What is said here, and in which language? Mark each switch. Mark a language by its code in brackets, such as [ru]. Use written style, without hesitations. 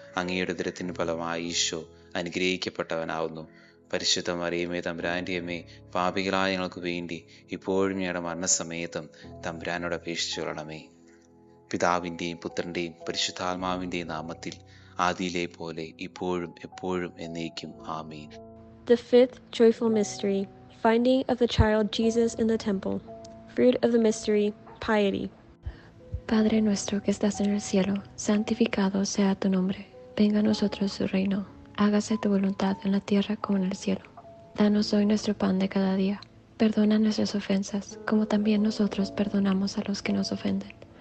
[ml] അങ്ങയുടെ ഉത്തരത്തിന് ഫലമായി ഈശോ അനുഗ്രഹിക്കപ്പെട്ടവനാവുന്നു. പരിശുദ്ധ മറിയമ്മേ, തമ്പുരാൻ്റെ അമ്മേ, പാപികളായ ഞങ്ങൾക്ക് വേണ്ടി ഇപ്പോഴും ഞങ്ങളുടെ മരണസമയത്തും തമ്പുരാനോട് അപേക്ഷിച്ചു കൊള്ളണമേ. പിതാവിൻ്റെയും പുത്രൻ്റെയും പരിശുദ്ധാത്മാവിൻ്റെയും നാമത്തിൽ, ആദിയിലെ പോലെ ഇപ്പോഴും എപ്പോഴും എന്നേക്കും ആമീൻ. [en] The fifth joyful mystery, finding of the child Jesus in the temple. Fruit of the mystery, piety. [es] Padre nuestro que estás en el cielo, santificado sea tu nombre. Venga a nosotros tu reino. Hágase tu voluntad en la tierra como en el cielo. Danos hoy nuestro pan de cada día. Perdona nuestras ofensas, como también nosotros perdonamos a los que nos ofenden.